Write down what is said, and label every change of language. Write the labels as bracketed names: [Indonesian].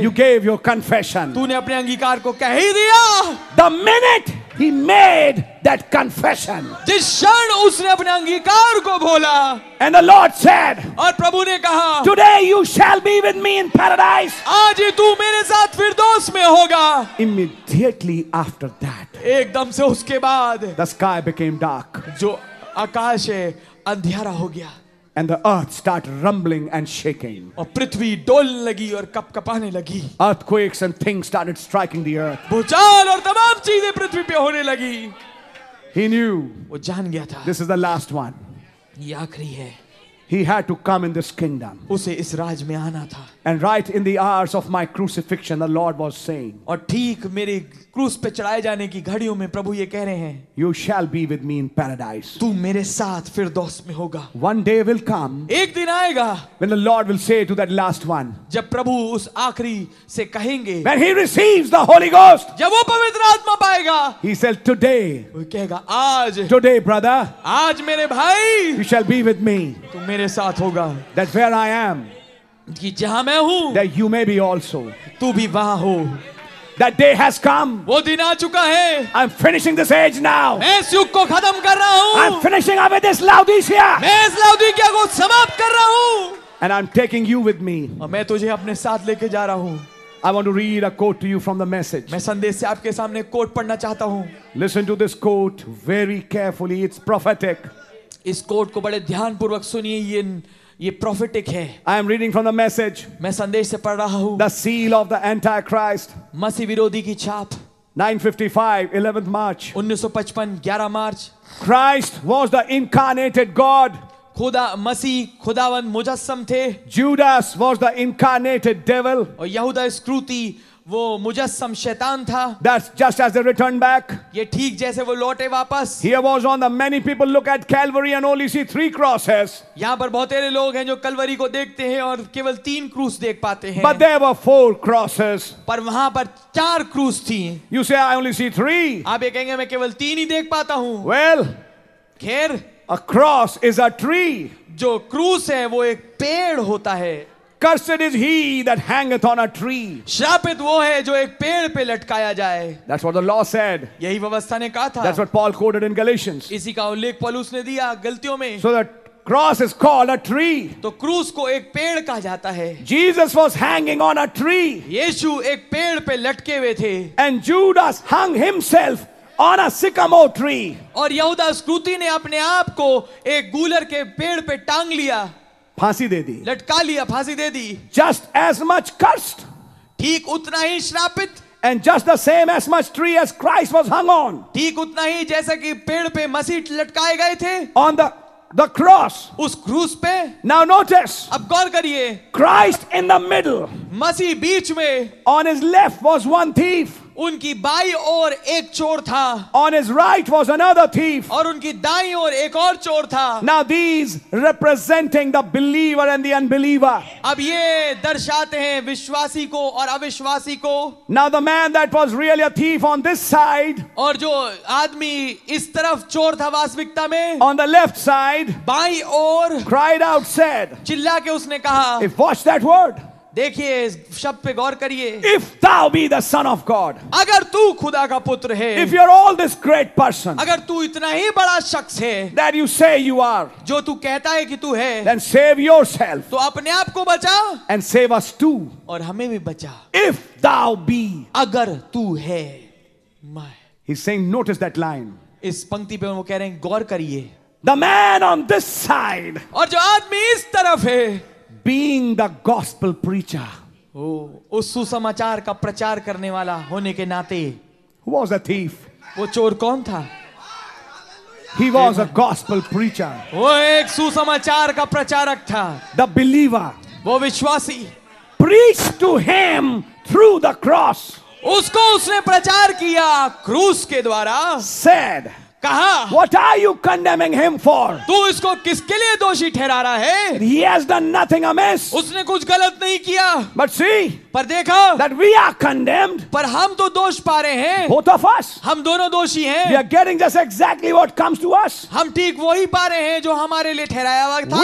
[English] You gave your confession. [Hindi] तूने अपने अंगीकार को कह ही दिया. [English] The minute he made that confession. [Hindi] जिस क्षण उसने अपने अंगीकार को बोला. [English] And the Lord said. [Hindi] और प्रभु ने कहा. [English] Today you shall be with me in paradise. [Hindi] आज ही तू मेरे साथ फिरदौस में होगा. [English] Immediately after that. [Hindi] एकदम से उसके बाद. [English] The sky became dark. [Hindi] जो आकाश है अंधेरा हो गया. [English] And the earth started rumbling and shaking. [Hindi] और पृथ्वी डोलने लगी और कपकपाने लगी. [English] Earthquakes and things started striking the earth. [Hindi] भूचाल और तमाम चीजें पृथ्वी पे होने लगी. [English] He knew. [Hindi] वो जान गया था. [English] This is the last one. [Hindi] ये आखिरी है. [English] He had to come in this kingdom. [Hindi] उसे इस राज में आना था. [English] And right in the hours of my crucifixion, the Lord was saying. [Hindi] और ठीक मेरे क्रूस पे चढ़ाए जाने की घड़ियों में प्रभु ये कह रहे हैं. [English] You shall be with me in paradise. [Hindi] तू मेरे साथ फिरदौस में होगा. [English] One day will come. [Hindi] एक दिन आएगा. [English] When the Lord will say to that last one. [Hindi] जब प्रभु उस आखरी से कहेंगे. [English] When he receives the Holy Ghost. [Hindi] जब वो पवित्र आत्मा पाएगा. [English] He said today. [Hindi] वो कहेगा आज. [English] Today brother. [Hindi] आज मेरे भाई. [English] You shall be with me. [Hindi] तू मेरे साथ होगा. [English] That where I am. [Hindi] कि जहां मैं हूं. [English] That you may be also. [Hindi] तू भी वहां हो. [English] That day has come. [Hindi] वो दिन आ चुका है. [English] I'm finishing this age now. [Hindi] मैं इस युग को खत्म कर रहा हूँ. [English] I'm finishing up with this Laodicea. [Hindi] मैं इस लौदीकिया को समाप्त कर रहा हूँ. [English] And I'm taking you with me. [Hindi] और मैं तुझे अपने साथ लेके जा रहा हूँ. [English] I want to read a quote to you from the message. [Hindi] मैं संदेश से आपके सामने कोट पढ़ना चाहता हूँ. [English] Listen to this quote very carefully. It's prophetic. [Hindi] इस कोट को बड़े ध्यान पूर्वक सुनिए. ये प्रोफेटिक है. [English] I am reading from the message. [Hindi] मैं संदेश से पढ़ रहा हूँ. [English] The seal of the Antichrist. [Hindi] मसीह विरोधी की छाप. [English] 955, 11th March. [Hindi] 1955, 11 March. [English] Christ was the incarnated God. [Hindi] खुदा मसीह खुदावन मुजस्सम थे. [English] Judas was the incarnated devil. [Hindi] और यहूदा स्क्रूति वो मुजस्सम शैतान था. [English] That's just as they returned back. [Hindi] ये ठीक जैसे वो लौटे वापस. [English] Here was on the many people look at Calvary and only see 3 crosses. [Hindi] यहाँ पर बहुत सारे लोग हैं जो कलवरी को देखते हैं और केवल 3 क्रूस देख पाते हैं. [English] But there were 4 crosses. [Hindi] पर वहाँ पर 4 क्रूस थी. [English] You say I only see 3. [Hindi] आप ये कहेंगे मैं केवल 3 ही देख पाता हूँ. [English] Well, [Hindi] खैर, [English] a cross is a tree. [Hindi] जो क्रूस है वो एक पेड़ होता है. [English] Cursed is he that hangeth on a tree. [Hindi] श्रापित वो है जो एक पेड़ पे लटकाया जाए. [English] That's what the law said. [Hindi] यही व्यवस्था ने कहा था. [English] That's what Paul quoted in Galatians. [Hindi] इसी का उल्लेख पौलुस ने दिया गलतियों में. [English] So that cross is called a tree. [Hindi] तो क्रूस को एक पेड़ कहा जाता है. [English] Jesus was hanging on a tree. [Hindi] यीशु एक पेड़ पे लटके हुए थे. [English] And Judas hung himself on a sycamore tree. [Hindi] और यहूदा स्क्रूति ने अपने आप को एक गूलर के पेड़ पे टांग लिया. फांसी दे दी. लटका लिया, फांसी दे दी. [English] Just as much cursed. [Hindi] ठीक उतना ही श्रापित. [English] And just the same as much tree as Christ was hung on. [Hindi] ठीक उतना ही जैसे कि पेड़ पे मसीह लटकाए गए थे. [English] On the cross. [Hindi] उस क्रूस पे. [English] Now notice. [Hindi] अब गौर करिए. [English] Christ in the middle. [Hindi] मसीह बीच में. [English] On his left was one thief. [Hindi] उनकी बाई ओर एक चोर था. [English] On his right was another thief. [Hindi] और उनकी दाई ओर एक और चोर था. [English] Now these representing the believer and the unbeliever. [Hindi] अब ये दर्शाते हैं विश्वासी को और अविश्वासी को. [English] Now the man that was really a thief on this side. [Hindi] और जो आदमी इस तरफ चोर था वास्तविकता में. [English] On the left side. [Hindi] By ore. [English] Cried out, said. [Hindi] चिल्ला के उसने कहा. [English] If watch that word. [Hindi] देखिए इस शब्द पे गौर करिए. [English] If thou be the son of God. [Hindi] अगर तू खुदा का पुत्र है. [English] If you are all this great person. [Hindi] अगर तू इतना ही बड़ा शख्स है. [English] That you say you are. [Hindi] जो तू कहता है कि तू है. [English] Then save yourself. [Hindi] तो अपने आप को बचा. [English] And save us too. [Hindi] और हमें भी बचा. [English] If thou be. [Hindi] अगर तू है. My. [English] He's saying notice that line. [Hindi] इस पंक्ति पे वो कह रहे हैं गौर करिए. [English] The man on this side. [Hindi] और जो आदमी इस तरफ है. [English] Being the gospel preacher. [Hindi] Oh, उस सुसमाचार का प्रचार करने वाला होने के नाते. [English] Who was a thief? [Hindi] वो चोर कौन था? [English] He was a gospel preacher. [Hindi] वो एक सुसमाचार का प्रचारक था. [English] The believer. [Hindi] वो विश्वासी. [English] Preach to him through the cross. [Hindi] उसको उसने प्रचार किया क्रूस के द्वारा. [English] Said. [Hindi] कहा, [English] What are you condemning him for? [Hindi] तू इसको किसके लिए दोषी ठहरा रहा है? [English] He has done nothing amiss. [Hindi] उसने कुछ गलत नहीं किया. [English] But see, [Hindi] पर देखा, [English] that we are condemned. [Hindi] पर हम तो दोष पा रहे हैं. [English] Both of us. [Hindi] हम दोनों दोषी हैं. [English] We are getting just exactly what comes to us. [Hindi] हम ठीक वही पा रहे हैं जो हमारे लिए ठहराया हुआ था.